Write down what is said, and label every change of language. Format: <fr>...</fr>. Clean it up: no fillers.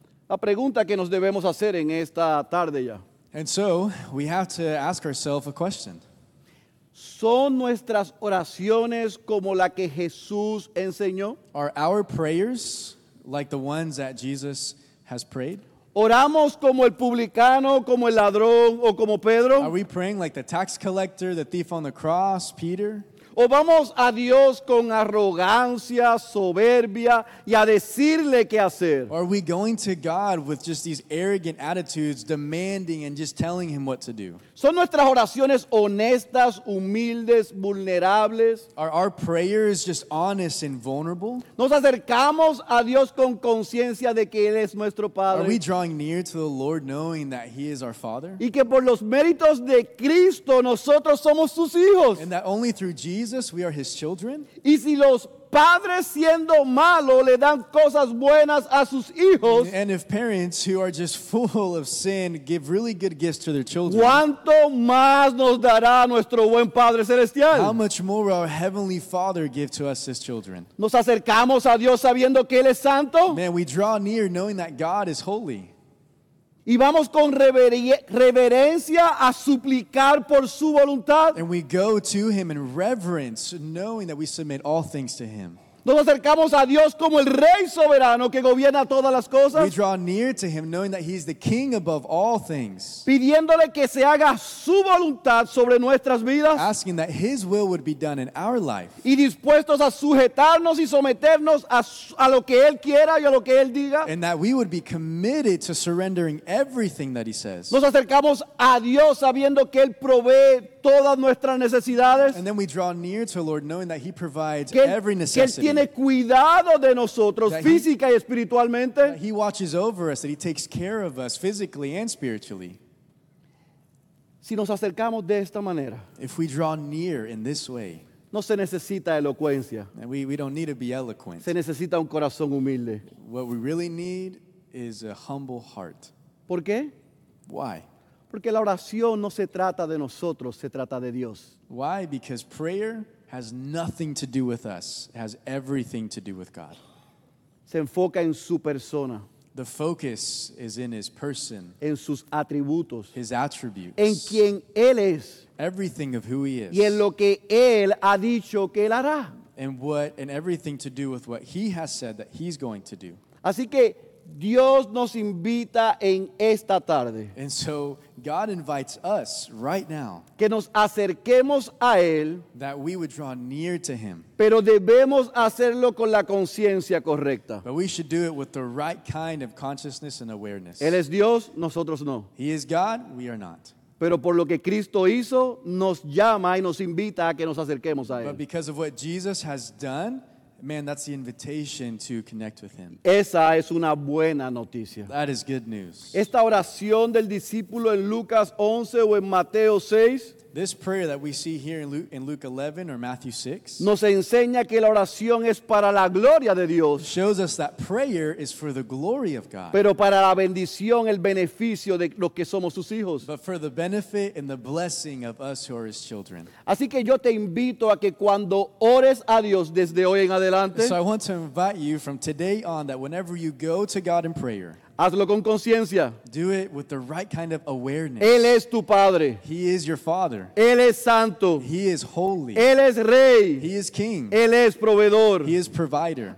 <es>La pregunta que nos debemos hacer en esta tarde ya.</es> <en>And so, we have to ask ourselves a question.</en> <es>¿Son nuestras oraciones como la que Jesús enseñó?</es> <en>Are our prayers like the ones that Jesus has prayed?</en> <es>¿Oramos como el publicano, como el ladrón o como Pedro?</es> <en>Are we praying like the tax collector, the thief on the cross, Peter?</en> <es>¿O vamos a Dios con arrogancia, soberbia y a decirle qué hacer?</es> <en>Or are we going to God with just these arrogant attitudes, demanding and just telling him what to do?</en> <es>¿Son nuestras oraciones honestas, humildes, vulnerables?</es> <en>Are our prayers just honest and vulnerable?</en> <es>¿Nos acercamos a Dios con conciencia de que Él es nuestro Padre?</es> <en>Are we drawing near to the Lord knowing that he is our Father?</en> <es>Y que por los méritos de Cristo nosotros somos sus hijos.</es> <en>And that only through Jesus, we are his children.</en> <es>Y si los padres siendo malos le dan cosas buenas a sus hijos.</es> <en>And if parents who are just full of sin give really good gifts to their children.</en> <es>¿Cuánto más nos dará nuestro buen Padre Celestial?</es> <en>How much more will our Heavenly Father give to us as children?</en> <es>¿Nos acercamos a Dios sabiendo que Él es santo?</es> <en>Man, we draw near knowing that God is holy.</en> <es>Y vamos con reverencia a suplicar por su voluntad.</es> <en>And we go to him in reverence, knowing that we submit all things to him.</en> <es>Nos acercamos a Dios como el Rey soberano que gobierna todas las cosas.</es> <en>We draw near to him, knowing that he's the King above all things.</en> <es>Pidiéndole que se haga su voluntad sobre nuestras vidas.</es> <en>Asking that his will would be done in our life.</en> <es>Y dispuestos a sujetarnos y someternos a lo que él quiera y a lo que él diga.</es> <en>And that we would be committed to surrendering everything that he says.</en> <es>Nos acercamos a Dios sabiendo que él provee todas nuestras necesidades.</es> <en>And then we draw near to the Lord, knowing that he provides every necessity.</en> <es>Tiene cuidado de nosotros física y espiritualmente.</es> <en>He watches over us, that he takes care of us physically and spiritually.</en> <es>Si nos acercamos de esta manera,</es> <en>if we draw near in this way,</en> <es>no se necesita elocuencia.</es> <en>And we don't need to be eloquent.</en> <es>Se necesita un corazón humilde.</es> <en>What we really need is a humble heart.</en> <es>¿Por qué?</es> <en>Why?</en> <es>Porque la oración no se trata de nosotros, se trata de Dios.</es> <en>Why? Because prayer has nothing to do with us. It has everything to do with God.</en> <es>Se enfoca en su persona.</es> <en>The focus is in his person.</en> <es>En sus atributos.</es> <en>His attributes.</en> <es>En quien él es.</es> <en>Everything of who he is.</en> <es>Y en lo que él ha dicho que él hará.</es> <en>And everything to do with what he has said that he's going to do.</en> <es>Así que Dios nos invita en esta tarde.</es> <en>And so God invites us right now.</en> <es>Que nos acerquemos a él.</es> <en>That we would draw near to him.</en> <es>Pero debemos hacerlo con la conciencia correcta.</es> <en>But we should do it with the right kind of consciousness and awareness.</en> <es>Él es Dios, nosotros no.</es> <en>He is God, we are not.</en> <es>Pero por lo que Cristo hizo, nos llama y nos invita a que nos acerquemos a él.</es> <en>But because of what Jesus has done, man, that's the invitation to connect with him.</en> <es>Esa es una buena noticia.</es> <en>That is good news.</en> <es>Esta oración del discípulo en Lucas 11 o en Mateo 6.</es> <en>This prayer that we see here in Luke 11 or Matthew 6.</en> <es>Nos enseña que la oración es para la gloria de Dios.</es> <en>Shows us that prayer is for the glory of God.</en> <es>Pero para la bendición, el beneficio de los que somos sus hijos.</es> <en>But for the benefit and the blessing of us who are his children.</en> <es>Así que yo te invito a que cuando ores a Dios desde hoy en adelante.</es> <en>So I want to invite you from today on that whenever you go to God in prayer.</en> <es>Hazlo con conciencia.</es> <en>Do it with the right kind of awareness.</en> <es>Él es tu padre.</es> <en>He is your father.</en> <es>Él es santo.</es> <en>He is holy.</en> <es>Él es rey.</es> <en>He is king.</en> <es>Él es proveedor.</es> <en>He is provider.</en>